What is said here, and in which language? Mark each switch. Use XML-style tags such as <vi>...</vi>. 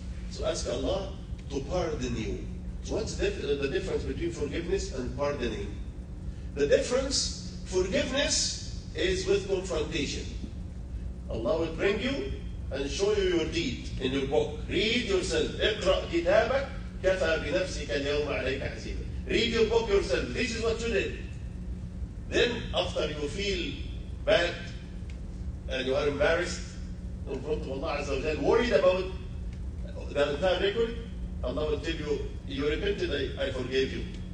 <en>So ask Allah to pardon you. So what's the difference between forgiveness and pardoning? The difference, forgiveness is with confrontation. Allah will bring you and show you your deed in your book. Read yourself.</en> <ar>اقرأ كتابك كفى بنفسك اليوم عليك حسيبا.</ar> <en>Read your book yourself. This is what you did. Then after you feel bad and you are embarrassed in front of Allah Azza wa Jal, worried about the entire record, Allah will tell you, you repented, I forgave you.</en>